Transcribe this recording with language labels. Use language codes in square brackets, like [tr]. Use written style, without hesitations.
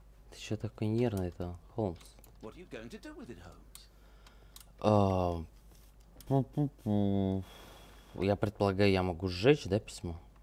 [ru] Ты что такой нервный-то, Холмс? [en] What are you going to do with it, Holmes? [ru] Я предполагаю, я могу сжечь, да, письмо?